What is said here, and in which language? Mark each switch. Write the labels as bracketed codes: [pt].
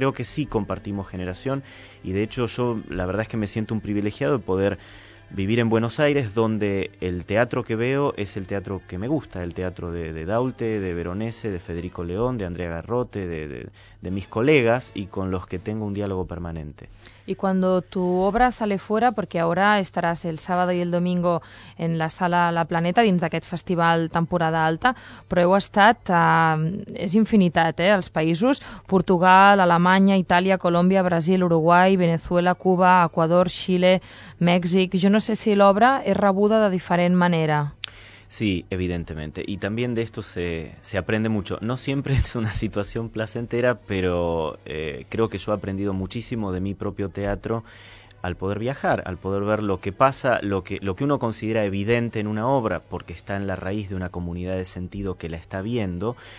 [es] Creo que sí compartimos generación, y de hecho yo la verdad es que me siento un privilegiado de poder vivir en Buenos Aires, donde el teatro que veo es el teatro que me gusta, el teatro de Daulte, de Veronese, de Federico León, de Andrea Garrote, de mis colegas y con los que tengo un diálogo permanente. Y cuando tu obra sale fuera, porque ahora estarás el sábado y el domingo en la sala La Planeta, [ca] dins d'aquest festival Temporada Alta, però heu estat, és infinitat, els països, [es] Portugal, Alemanya, Itàlia, Colòmbia, Brasil, Uruguai, Venezuela, Cuba, Ecuador, Xile, Mèxic. [ca] Jo no sé si l'obra és rebuda de diferent manera. [es] Sí, evidentemente. Y también de esto se aprende mucho. No siempre es una situación placentera, pero creo que yo he aprendido muchísimo de mi propio teatro al poder viajar, al poder ver lo que pasa, lo que uno considera evidente en una obra, porque está en la raíz de una comunidad de sentido que la está viendo.